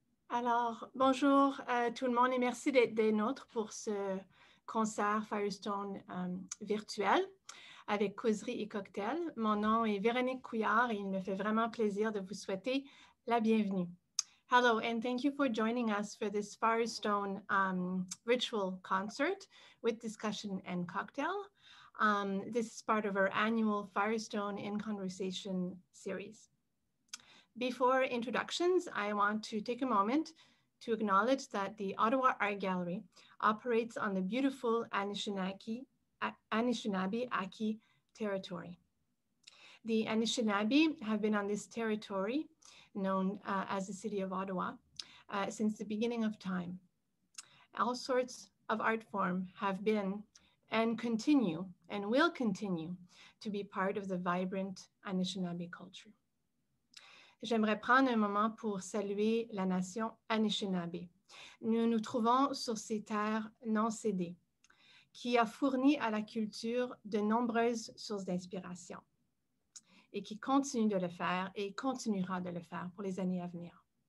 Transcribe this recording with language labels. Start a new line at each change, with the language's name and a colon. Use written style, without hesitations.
French: Alors, bonjour tout le monde et merci d'être des nôtres pour ce concert Firestone virtuel avec causerie et cocktail. Mon nom est Véronique Couillard et il me fait vraiment plaisir de vous souhaiter la bienvenue.
English: Hello and thank you for joining us for this Firestone virtual concert with discussion and cocktail. This is part of our annual Firestone in Conversation series. Before introductions, I want to take a moment to acknowledge that the Ottawa Art Gallery operates on the beautiful Anishinaabe-Aki territory. The Anishinaabe have been on this territory, known as the City of Ottawa, since the beginning of time. All sorts of art form have been and continue and will continue to be part of the vibrant Anishinaabe culture.
French: J'aimerais prendre un moment pour saluer la nation Anishinaabe. Nous nous trouvons sur ces terres non cédées, qui a fourni à la culture de nombreuses sources d'inspiration et qui continue de le faire et continuera de le faire pour les années à venir.